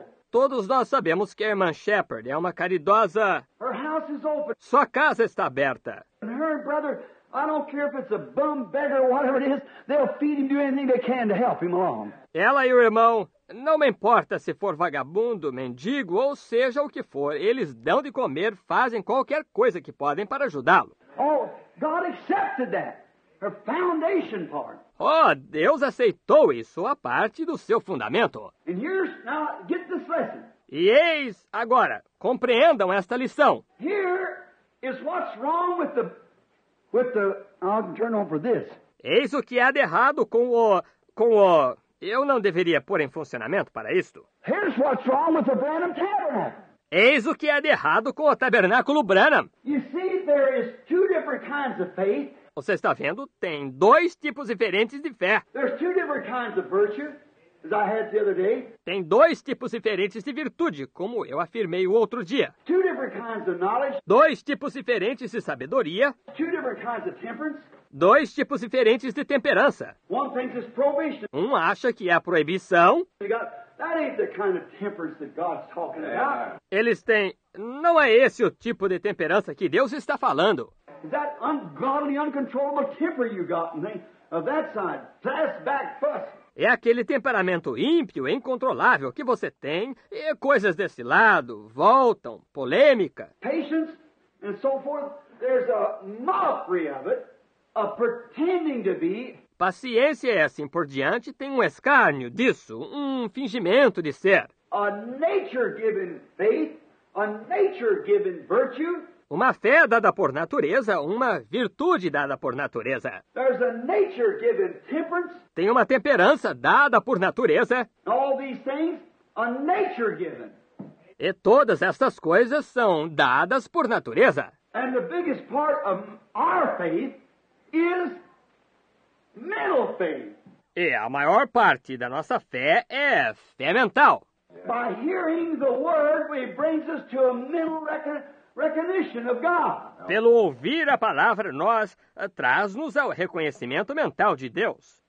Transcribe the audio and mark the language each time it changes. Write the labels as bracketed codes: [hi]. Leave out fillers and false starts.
[pt] Todos nós sabemos que a irmã Shepherd é uma caridosa. [en] Her house is open. [pt] Sua casa está aberta. [en] And her brother, I don't care if it's a bum beggar or whatever it is. They'll feed him, do anything they can to help him along. [pt] Ela e o irmão, não me importa se for vagabundo, mendigo ou seja o que for. Eles dão de comer, fazem qualquer coisa que podem para ajudá-lo. [en] Oh, God accepted that. Her foundation part. [pt] Oh, Deus aceitou isso, a parte do seu fundamento. [en] And here's, now, get this lesson. [pt] E eis, agora, compreendam esta lição. [en] Here is what's wrong with the... I'll turn on for this. [pt] Eis o que há de errado com o... Eu não deveria pôr em funcionamento para isto. [en] Here's what's wrong with the Branham Tabernacle. [pt] Eis o que há de errado com o Tabernáculo Branham. [en] You see, there is two different kinds of faith. [pt] Você está vendo? Tem dois tipos diferentes de fé. [en] There's two different kinds of virtue, as I had the other day. [pt] Tem dois tipos diferentes de virtude, como eu afirmei o outro dia. [en] Two different kinds of knowledge. [pt] Dois tipos diferentes de sabedoria. [en] Two different kinds of temperance. [pt] Dois tipos diferentes de temperança. [en] One thinks it's prohibition. [pt] Um acha que é a proibição. [en] That ain't the kind of temperance that God's talking about. [pt] Eles têm... Não é esse o tipo de temperança que Deus está falando. [en] That ungodly, uncontrollable temper you got, of that side, fast back fuss. [pt] É aquele temperamento ímpio, incontrolável que você tem, e coisas desse lado voltam, polêmica. [en] Patience and so forth, there's a mockery of it, a pretending to be... [pt] Paciência e assim por diante tem um escárnio disso, um fingimento de ser. [en] A nature-given faith, a nature-given virtue. [pt] Uma fé dada por natureza, uma virtude dada por natureza. [en] There's a nature-given temperance. [pt] Tem uma temperança dada por natureza. [en] All these things, a nature-given. [pt] E todas estas coisas são dadas por natureza. [en] And the biggest part of our faith is mental faith. [pt] E a maior parte da nossa fé é fé mental. [en] By hearing the word, it brings us to a mental recognition of God. [pt] Pelo ouvir a palavra, nós traz-nos ao reconhecimento mental de Deus.